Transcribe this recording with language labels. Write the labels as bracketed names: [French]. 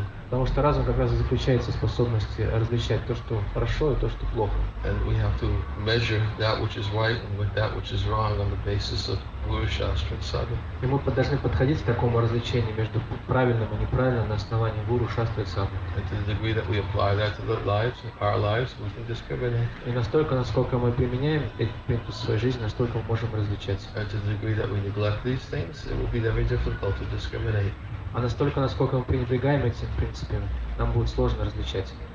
[Russian] Потому что разум как раз и заключается в способности различать то, что хорошо, и то, что плохо. [English] And we have to measure that which is right and with that which is wrong on the basis of Guru Shastra and Sadhu. [Russian] И мы должны подходить к такому различению между правильным и неправильным на основании Гуру Шастры и Садху. [English] And to the degree that we apply that to the lives, our lives, we can discover that. [Russian] И настолько, насколько мы применяем эти принципы в своей жизни, настолько мы можем различать. [English] And to the degree that we neglect these things, it will be very difficult to discriminate. [Russian] А настолько, насколько мы пренебрегаем этим принципом, нам будет сложно различать.